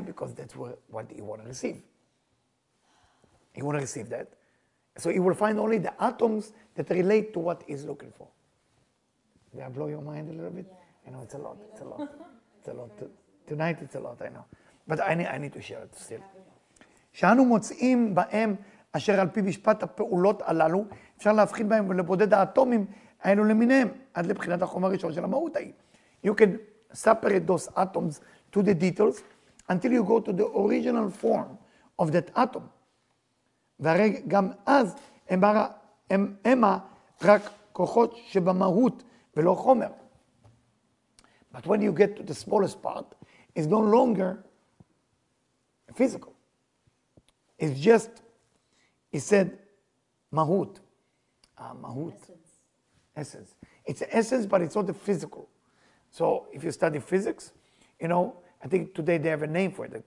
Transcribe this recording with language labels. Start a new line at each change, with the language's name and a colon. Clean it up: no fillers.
English: Because that's what he want to receive. He want to receive that. So he will find only the atoms that relate to what he's looking for. Did I blow your mind a little bit? Yeah. I know it's a lot. It's a lot. It's a lot. Tonight it's a lot, I know. But I need to share it still.
Hebrew: שאנו מוצאים בהם אשר על פי משפט הפעולות הללו, אפשר להבחין בהם ולבודד האטומים האלו למיניהם, עד לבחינת החומר הראשון של המהות ההיא.
English: You can separate those atoms to the details until you go to the original form of that atom.
Hebrew: והרי גם אז הם רק כוחות שבמהות ולא חומר.
English: But when you get to the smallest part, it's no longer physical. It's just, he said, mahut. Mahut. Essence. It's essence, but it's not the physical. So if you study physics, you know, I think today they have a name for it.